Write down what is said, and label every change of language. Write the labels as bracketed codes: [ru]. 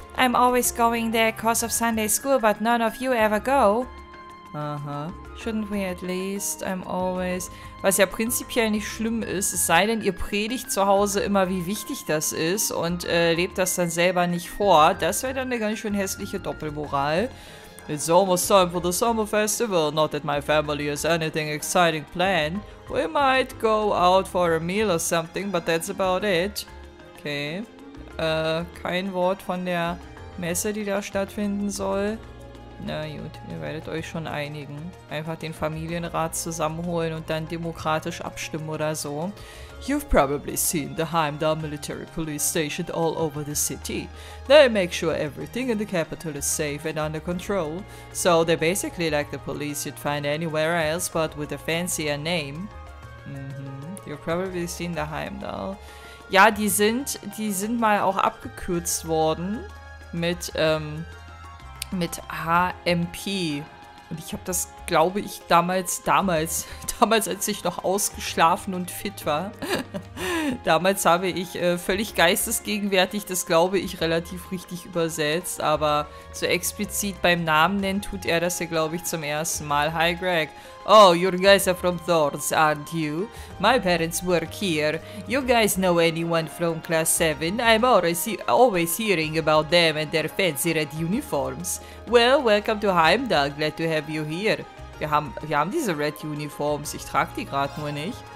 [en] I'm always going there because of Sunday school, but none of you ever go. Aha. Shouldn't we at least? I'm always... [de] Was ja prinzipiell nicht schlimm ist, es sei denn, ihr predigt zu Hause immer, wie wichtig das ist und lebt das dann selber nicht vor. Das wäre dann eine ganz schön hässliche Doppelmoral. [en] It's almost time for the summer festival. Not that my family has anything exciting planned. We might go out for a meal or something, but that's about it. Okay. [de] Kein Wort von der Messe, die da stattfinden soll. Na gut, ihr werdet euch schon einigen. Einfach den Familienrat zusammenholen und dann demokratisch abstimmen oder so. [en] You've probably seen the Heimdall military police stationed all over the city. They make sure everything in the capital is safe and under control. So they're basically like the police you'd find anywhere else, but with a fancier name. You've probably seen the Heimdall. [de] Ja, die sind mal auch abgekürzt worden mit HMP. Und ich habe das, glaube ich, damals, als ich noch ausgeschlafen und fit war, damals habe ich völlig geistesgegenwärtig das, glaube ich, relativ richtig übersetzt. Aber so explizit beim Namen nennen tut er das ja, glaube ich, zum ersten Mal. [en] Hi, Greg. Oh, you guys are from Thorns, aren't you? My parents work here. You guys know anyone from Class 7? I'm always hearing about them and their fancy red uniforms. Well, welcome to Heimdall. Glad to have you here. [de] Wir haben diese [en] red uniforms. [de] Ich trage die gerade nur nicht.